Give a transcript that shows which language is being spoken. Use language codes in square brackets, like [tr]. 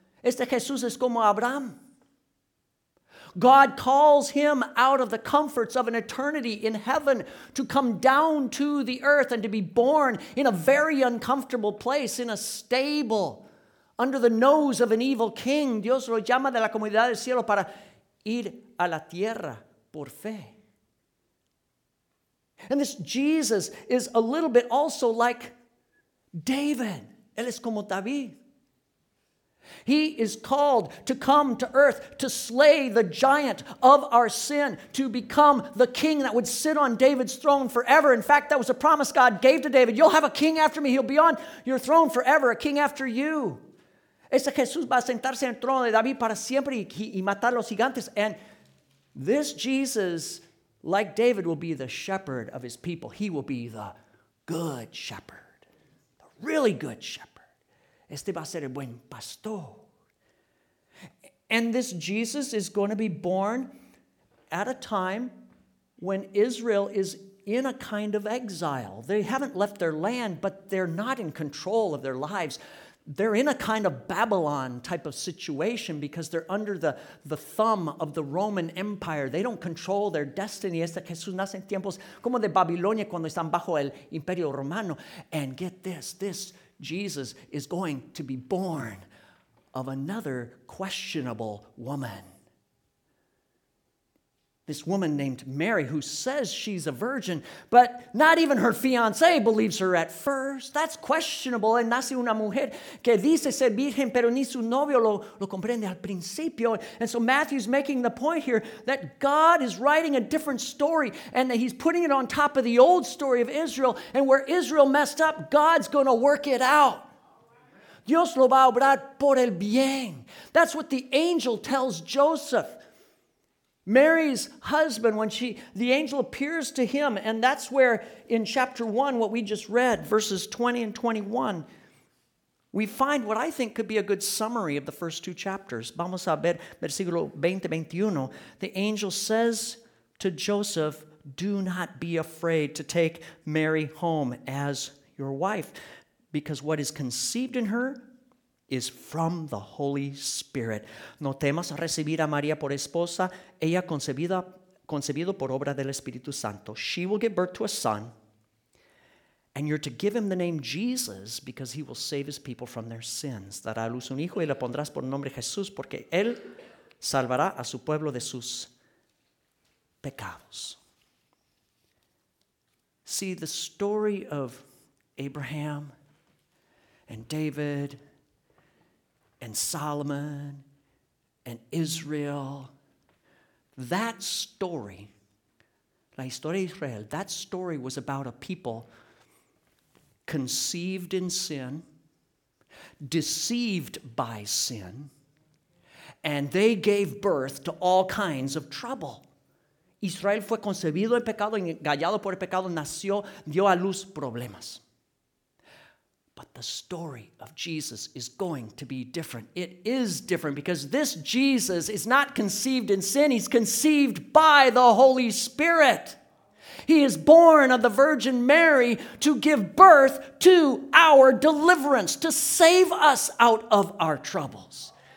[es] Este Jesús es como Abraham. [en] God calls him out of the comforts of an eternity in heaven to come down to the earth and to be born in a very uncomfortable place, in a stable, under the nose of an evil king. [es] Dios lo llama de la comunidad del cielo para ir a la tierra por fe. [en] And this Jesus is a little bit also like David. [es] Él es como David. [en] He is called to come to earth to slay the giant of our sin, to become the king that would sit on David's throne forever. In fact, that was a promise God gave to David. You'll have a king after me. He'll be on your throne forever, a king after you. Ese Jesús va a sentarse en el trono de David para siempre y matar los gigantes. And this Jesus, like David, will be the shepherd of his people. He will be the good shepherd, the really good shepherd. [es] Este va a ser el buen pastor. [en] And this Jesus is going to be born at a time when Israel is in a kind of exile. They haven't left their land, but they're not in control of their lives. They're in a kind of Babylon type of situation because they're under the thumb of the Roman Empire. They don't control their destiny. [es] Este Jesús nace en tiempos como de Babilonia cuando están bajo el Imperio Romano. [en] And get this, this Jesus is going to be born of another questionable woman. This woman named Mary, who says she's a virgin, but not even her fiancé believes her at first. That's questionable. [es] Y nace una mujer que dice ser virgen, pero ni su novio lo comprende al principio. [en] And so Matthew's making the point here that God is writing a different story and that he's putting it on top of the old story of Israel. And where Israel messed up, God's going to work it out. [es] Dios lo va a obrar por el bien. [en] That's what the angel tells Joseph. Mary's husband, when the angel appears to him, and that's where in chapter 1, what we just read, verses 20 and 21, we find what I think could be a good summary of the first two chapters. [es] Vamos a ver versículo 20, 21. [en] The angel says to Joseph, "Do not be afraid to take Mary home as your wife, because what is conceived in her is from the Holy Spirit. [es] No temas recibir a María por esposa. Ella concebido por obra del Espíritu Santo. [en] She will give birth to a son. And you're to give him the name Jesus because he will save his people from their sins. [es] Dará a luz un hijo y le pondrás por nombre Jesús porque él salvará a su pueblo de sus pecados. [en] See, the story of Abraham and David and Solomon and Israel, that story, [es] la historia de Israel, [en] that story was about a people conceived in sin, deceived by sin, and they gave birth to all kinds of trouble. [es] Israel fue concebido en pecado, engañado por el pecado, nació, dio a luz problemas. [en] But the story of Jesus is going to be different. It is different because this Jesus is not conceived in sin. He's conceived by the Holy Spirit. He is born of the Virgin Mary to give birth to our deliverance, to save us out of our troubles.